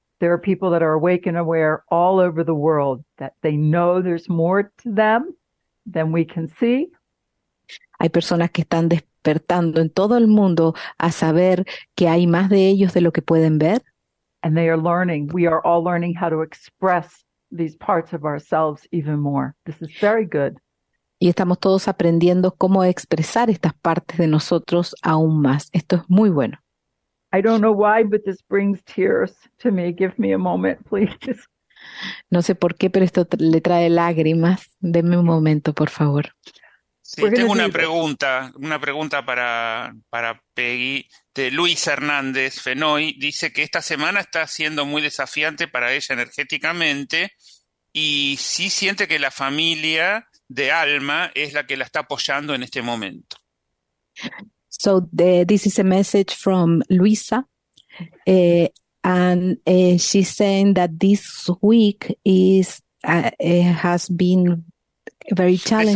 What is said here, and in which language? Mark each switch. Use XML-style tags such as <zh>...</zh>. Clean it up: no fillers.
<en>There are people that are awake and aware all over the world that they know there's more to them than we can see.</en> <es>Hay personas que están despertando en todo el mundo a saber que hay más de ellos de lo que pueden ver.</es> <en>And they are learning. We are all learning how to express these parts of ourselves even more. This is very good.</en> <es>Y estamos todos aprendiendo cómo expresar estas partes de nosotros aún más. Esto es muy bueno.</es> <en>I don't know why, but this brings tears to me. Give me a moment, please.</en> <es>No sé por qué, pero esto le trae lágrimas. Deme un momento, por favor. Sí, tengo</es> <en>We're going</en> <es>una pregunta para Peggy de Luis Hernández Fenoy. Dice que esta semana está siendo muy desafiante para ella energéticamente y sí siente que la familia de alma es la que la está apoyando en este momento.</es> <en>to do this. So this is a message from Luisa, and she's saying that this week is it has been very challenging,</en>